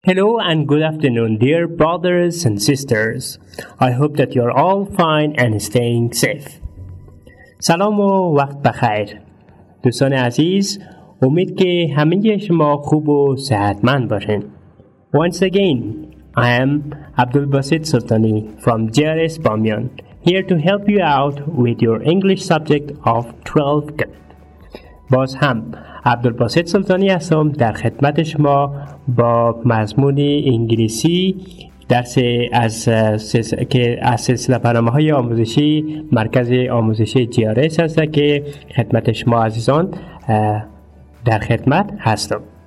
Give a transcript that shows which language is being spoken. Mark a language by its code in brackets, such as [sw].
[en] Hello and good afternoon, dear brothers and sisters. I hope that you're all fine and staying safe. [fa] سلام و وقت بخیر. دوستان عزیز، امید که همه شما خوب و صحتمند باشین. [en] Once again, I am Abdul Baset Sultani from GRS Bamyan, here to help you out with your English subject of 12th grade. [fa] باز هم عبدالباسط سلطانی هستم در خدمت شما با مضمون انگلیسی درس از که از سلسله برنامه های آموزشی مرکز آموزشی GRS هست که خدمت شما عزیزان در خدمت هستم.